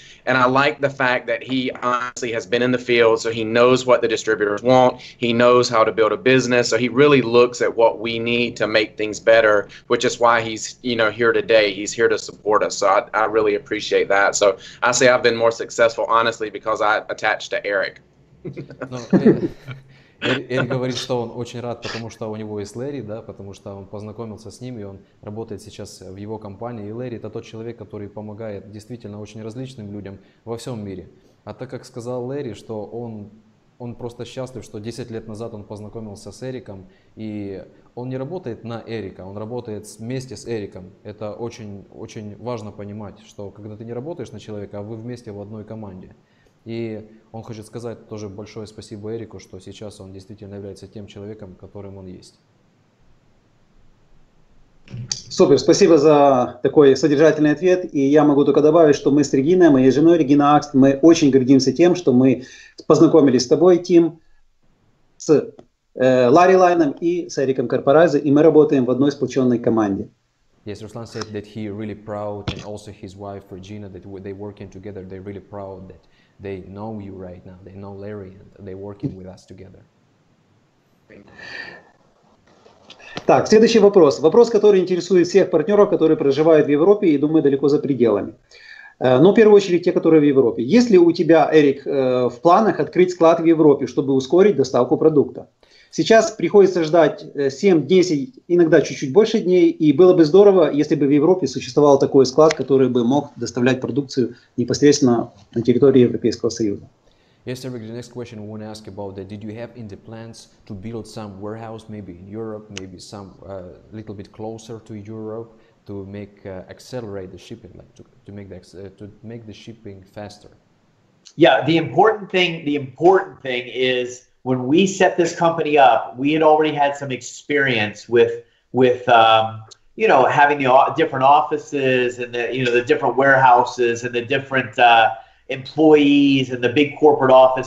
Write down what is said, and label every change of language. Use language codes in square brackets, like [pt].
[en] And I like the fact that he honestly has been in the field, so he knows what the distributors want. He knows how to build a business. So he really looks at what we need to make things better, which is why he's, you know, here today. He's here to support us. So I really appreciate that. So I say I've been more successful, honestly, because I attached to Eric. No, [ru] Эрик говорит, что он очень рад, потому что у него есть Лэри, да, потому что он познакомился с ним, и он работает сейчас в его компании. И Лэри – это тот человек, который помогает действительно очень различным людям во всем мире. А так как сказал Лэри, что он просто счастлив, что 10 лет назад он познакомился с Эриком, и он не работает на Эрика, он работает вместе с Эриком. Это очень, очень важно понимать, что когда ты не работаешь на человека, а вы вместе в одной команде. И он хочет сказать тоже большое спасибо Эрику, что сейчас он действительно является тем человеком, которым он есть. Супер, спасибо за такой содержательный ответ. И я могу только добавить, что мы с Региной, моей женой Регина Акст, мы очень гордимся тем, что мы познакомились с тобой, Тим, с Ларри Лайном и с Эриком Карпарайзе, и мы работаем в одной сплоченной команде. [en] Yes, Ruslan said that he really proud, and also his wife Regina, that they working together, they're really proud that they know you right now, they know Larry, and they're working with us together. [ru] Так, следующий вопрос. Вопрос, который интересует всех партнеров, которые проживают в Европе и, думаю, далеко за пределами. Но в первую очередь те, которые в Европе. Есть ли у тебя, Эрик, в планах открыть склад в Европе, чтобы ускорить доставку продукта? Сейчас приходится ждать 7-10, иногда чуть-чуть больше дней, и было бы здорово, если бы в Европе существовал такой склад, который бы мог доставлять продукцию непосредственно на территории Европейского Союза. [en] Yes, Eric, the next question we want to ask about that. Did you have in the plans to build some warehouse, maybe in Europe, maybe some little bit closer to Europe, to make accelerate the shipping, like to make the shipping faster? Yeah, the important thing is, when we set this company up, we had already had some experience with having the different offices and the different warehouses and the different employees and the big corporate office.